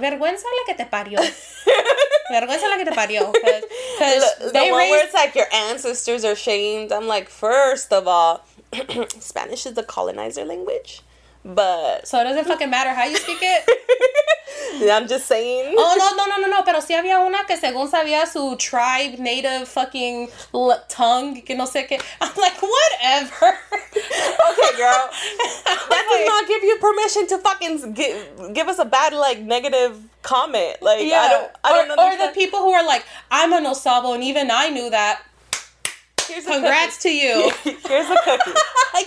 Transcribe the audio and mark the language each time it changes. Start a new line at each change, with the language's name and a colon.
Spanish: Vergüenza la que te parió. Vergüenza la que te parió.
English: Because the one where it's like, your ancestors are shamed. I'm like, first of all, Spanish is the colonizer language. But so it doesn't fucking matter how you speak it. Yeah, I'm just saying. Oh no.
Spanish: Pero sí había una que según sabía su
English: tribe native fucking tongue
Spanish: que no sé qué.
English: I'm like, whatever. Okay, girl. That does not give you permission to fucking give us a bad, like, negative comment. Like, yeah. I don't or the people who are like, I'm an Osabo, and even I knew that. Here's congrats cookie. To you. Here's a cookie.